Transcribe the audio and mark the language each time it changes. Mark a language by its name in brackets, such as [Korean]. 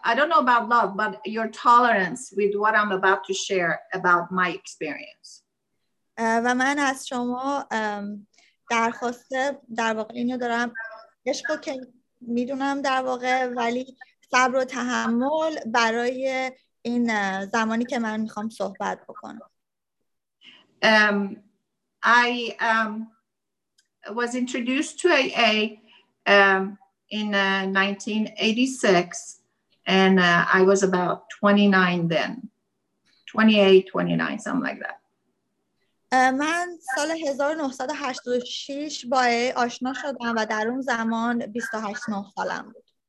[English] I don't know about love, but your tolerance with what I'm about to share about my experience. [Persian] و من از شما درخواست در واقع اینو دارم، عشق که میدونم در واقع، ولی صبر و تحمل برای این زمانی که من میخوام صحبت بکنم. [English] I was introduced to AA in 1986, and I was about 29 then, 28, 29, something like that. [Persian] من سال 1986 با AA آشنا شدم و در اون زمان 28 سالم بود.